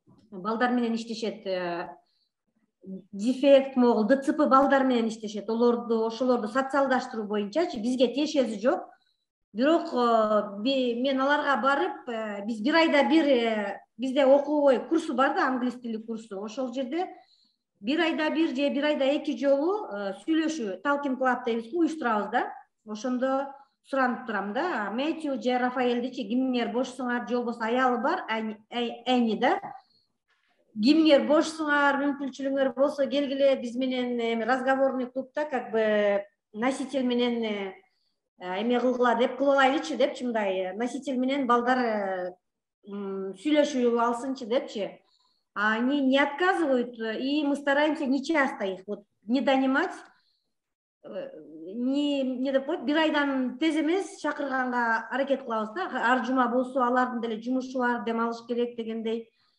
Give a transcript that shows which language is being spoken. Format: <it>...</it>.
<ky>балдар менен иштешет. Дефект могул, ДЦП балдар менен иштешет. Олорду, ошолорду социалдаштыруу боюнча бизге тиешеси жок. Бирок мен аларга барып, биз бир айда бир бизде окуу курсу бар да, англис тили курсу. Ошол жерде бир айда бир же бир айда эки жолу сүйлөшүү Talking Club деп уюштурабыз да. Ошондо суранып турам да. Мэтью же Рафаэлдичи, кимдер бошсуңар, же болбосо аялы бар, эни да. Кимдер бошсуңар, мүмкүнчүлүгүңөр болсо келгиле, биз менен разговорный клубта</ky> <ru>как бы носитель</ru> <ky>менен эме кылгыла деп кылалайлычы депчи, мындай носитель менен балдар сүйлөшүп алсынчы депчи.</ky> <ru>Они не отказывают, и мы стараемся не часто их вот не донимать. Не допустим,</ru> <ky>бир айдан тез эмес чакырганга аракет кылабыз да. Ар жума болсо алардын деле жумушу бар, демалыш керек дегендей.</ky>